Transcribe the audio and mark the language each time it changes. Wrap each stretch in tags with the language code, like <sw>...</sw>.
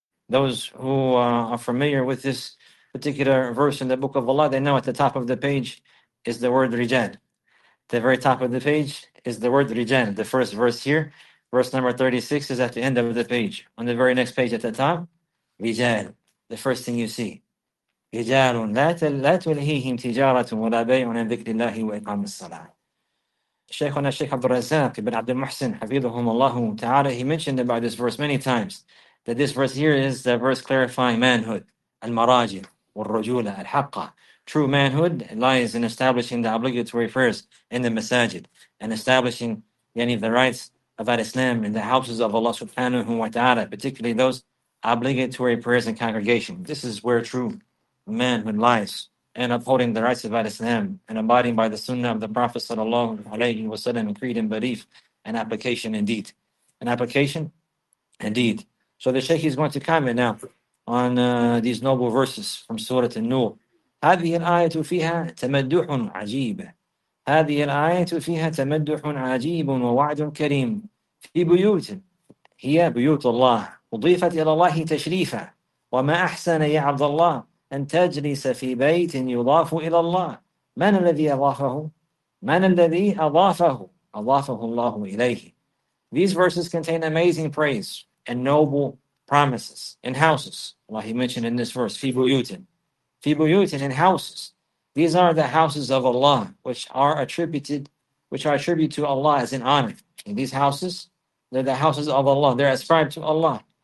<en>Those who are familiar with this particular verse in the Book of Allah, they know at the top of the page is the word rijal. The very top of the page is the word rijal. The first verse here, verse number 36, is at the end of the page. On the very next page at the top, rijal. The first thing you see,</en> <ar>رجال لا تلهيهم تجارة ولا بيع عن ذكر الله وإقام الصلاة. شيخنا الشيخ عبد الرزاق بن عبد المحسن حفظهم الله تعالى,</ar> <en>he mentioned about this verse many times, that this verse here is the verse clarifying manhood,</en> <ar>المراجل والرجولة الحقة.</ar> <en>True manhood lies in establishing the obligatory prayers in the masajid and establishing any of the rights of al-Islam in the houses of Allah subhanahu wa ta'ala, particularly those obligatory prayers in congregation. This is where true manhood lies, and upholding the rights of Islam and abiding by the Sunnah of the Prophet sallallahu alaihi wasallam in creed and belief and application indeed. An application indeed. So the Shaykh is going to comment now on these noble verses from Surah An-Nur.</en> <ar>هذه الآية فيها تمدح عجيب. هذه الآية فيها تمدح عجيب ووعد كريم في بيوت هي بيوت الله أضيفت إلى الله تشريفا وما أحسن يا عبد الله أن تجلس في بيت يضاف إلى الله. من الذي أضافه؟ من الذي أضافه؟ أضافه الله إليه.</ar> <en>These verses contain amazing praise and noble promises in houses. Allah, he mentioned in this verse,</en> <ar>في بيوتٍ. في بيوتٍ,</ar> <en>in houses. These are the houses of Allah, which are attributed to Allah as an honor. In these houses, they're the houses of Allah. They're ascribed to Allah.</en>